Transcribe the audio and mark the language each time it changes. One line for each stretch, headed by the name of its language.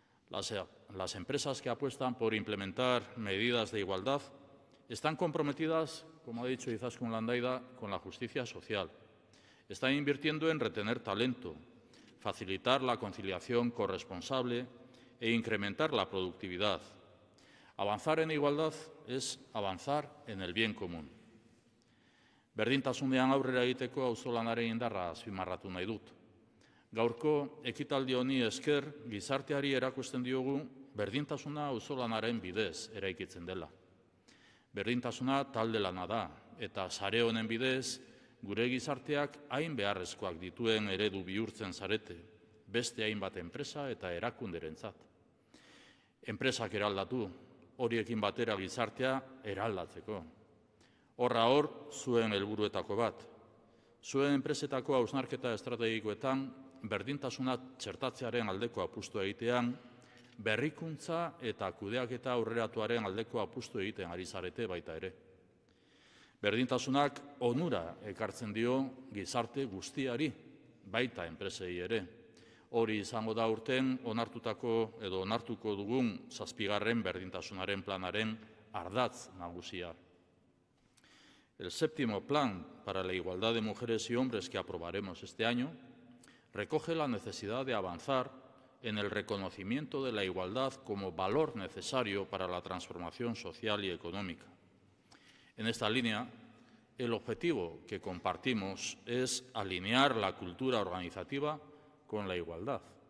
Spanish: Las empresas que apuestan por implementar medidas de igualdad están comprometidas, como ha dicho Izaskun Landaida, con la justicia social. Están invirtiendo en retener talento, facilitar la conciliación corresponsable e incrementar la productividad. Avanzar en igualdad es avanzar en el bien común.
Basque: Berdintasunean aurrera egiteko auzolanaren indarra azpimarratu nahi dut. Gaurko ekitaldi honi esker gizarteari erakusten diogu berdintasuna auzolanaren bidez eraikitzen dela. Berdintasuna talde lana da eta sare honen bidez gure gizarteak hain beharrezkoak dituen eredu bihurtzen zarete, beste hainbat enpresa eta erakunderentzat. Enpresak eraldatu, horiekin batera gizartea eraldatzeko. Horra hor, zuen helburuetako bat. Zuen enpresetako hausnarketa estrategikoetan, berdintasuna txertatzearen aldeko apustu egitean, berrikuntza eta kudeaketa aurreratuaren aldeko apustu egiten ari zarete baita ere. Berdintasunak onura ekartzen dio gizarte guztiari, baita enpresei ere. Hori izango da urten onartuko dugun 7. berdintasunaren planaren ardatz nagusia.
Spanish: El 7º plan para la igualdad de mujeres y hombres que aprobaremos este año recoge la necesidad de avanzar en el reconocimiento de la igualdad como valor necesario para la transformación social y económica. En esta línea, el objetivo que compartimos es alinear la cultura organizativa con la igualdad.